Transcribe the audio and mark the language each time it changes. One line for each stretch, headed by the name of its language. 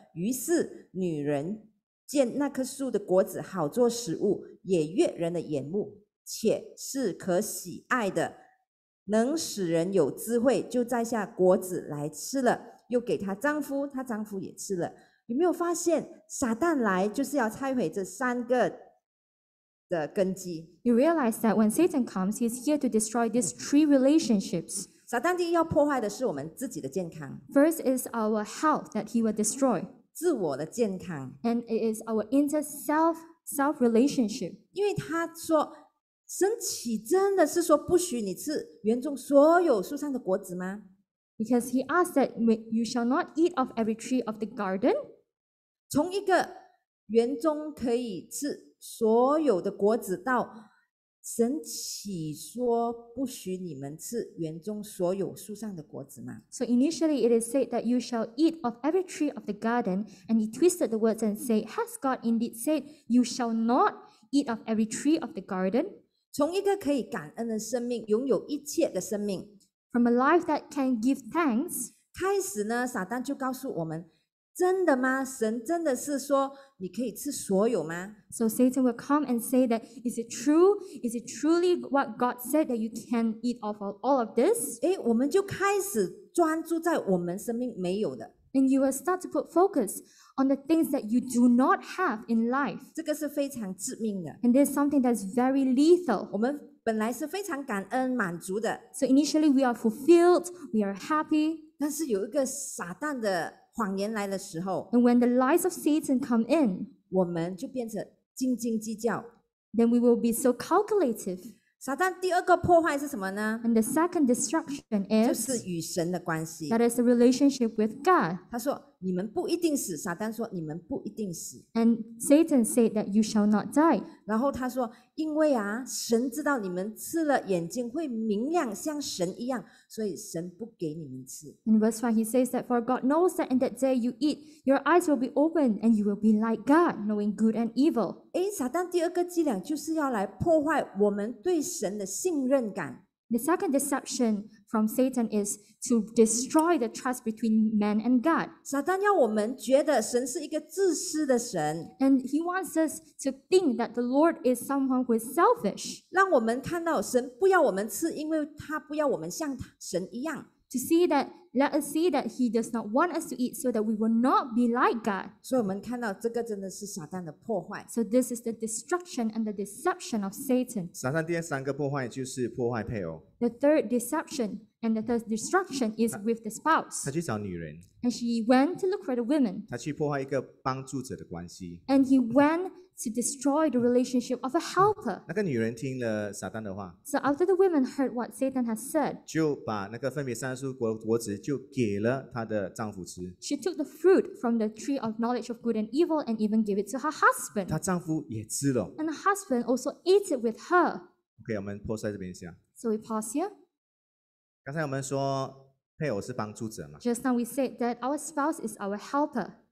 Chinese: 于是女人见那棵树的果子好做食物，也悦人的眼目，且是可喜爱的，能使人有智慧，就摘下果子来吃了，又给她丈夫，她丈夫也吃了。有没有发现撒旦来就是要拆毁这三个的根基？
English: You realize that when Satan comes, he's here to destroy these three relationships.
Chinese: 撒旦第一要破坏的是我们自己的健康。
English: First is our health that he will destroy.
Chinese: 自我的健康。
English: And it is our inner self relationship.
Chinese: 因为他说，神岂真的是说不许你吃园中所有树上的果子吗？
English: Because he asked that you shall not eat of every tree of the garden.
Chinese: 从一个园中可以吃所有的果子到神岂说不许你们吃园中所有树上的果子吗？
English: So initially it is said that you shall eat of every tree of the garden, and he twisted the words and said, has God indeed said you shall not eat of every tree of the garden?
Chinese: 从一个可以感恩的生命，拥有一切的生命
English: ，from a life that can give thanks，
Chinese: 开始呢，撒旦就告诉我们，真的吗？神真的是说你可以吃所有吗
English: ？So Satan will come and say that is it true? Is it truly what God said that you can eat of all of this？
Chinese: 哎，我们就开始专注在我们生命没有的
English: ，and you will start to put focus on the things that you do not have in life.
Chinese: 这个是非常致命的。
English: And there's something that's very lethal.
Chinese: 我们本来是非常感恩满足的。
English: So initially we are fulfilled, we are happy.
Chinese: 但是有一个撒旦的谎言来的时候，
English: And when the lies of Satan come in,
Chinese: 我们就变成斤斤计较。
English: Then we will be so calculative.
Chinese: 撒旦第二个破坏是什么呢？
English: And the second destruction is,
Chinese: 就是与神的关系。
English: That is the relationship with God.
Chinese: 他说你们不一定死，撒旦说你们不一定死。
English: And Satan said that you shall not die.
Chinese: 然后他说，因为啊，神知道你们吃了眼睛会明亮，像神一样，所以神不给你们吃。
English: In verse 5, he says that for God knows that in that day you eat, your eyes will be open and you will be like God, knowing good and evil.
Chinese: 哎，撒旦第二个伎俩就是要来破坏我们对神的信任感。
English: The second deception from Satan is to destroy the trust between man and God.
Chinese: 撒旦要我们觉得神是一个自私的神。
English: And he wants us to think that the Lord is someone who is selfish.
Chinese: 让我们看到神不要我们吃，因为他不要我们像神一样。
English: To see that, let us see that he does not want us to eat so that we will not be like God.
Chinese: 所以我们看到这个真的是撒旦的破坏。
English: So this is the destruction and the deception of Satan.
Chinese: 撒旦第三个破坏就是破坏配偶。
English: The third deception and the third destruction is with the spouse.
Chinese: 他去找女人。
English: And she went to look for the women.
Chinese: 他去破坏一个帮助者的关系。
English: And he went to destroy the relationship of a helper.
Chinese: 那个女人听了撒旦的话。
English: So after the women heard what Satan has said,
Chinese: 就把那个分别善恶树果子就给了她的丈夫吃。
English: She took the fruit from the tree of knowledge of good and evil and even gave it to her husband.
Chinese: 她丈夫也吃了。
English: And her husband also ate it with her.
Chinese: Okay, 我们 pause 在这边一下。
English: So we pause here.
Chinese: 刚才我们说配偶是帮助者嘛。
English: Just now we said that our spouse is our helper.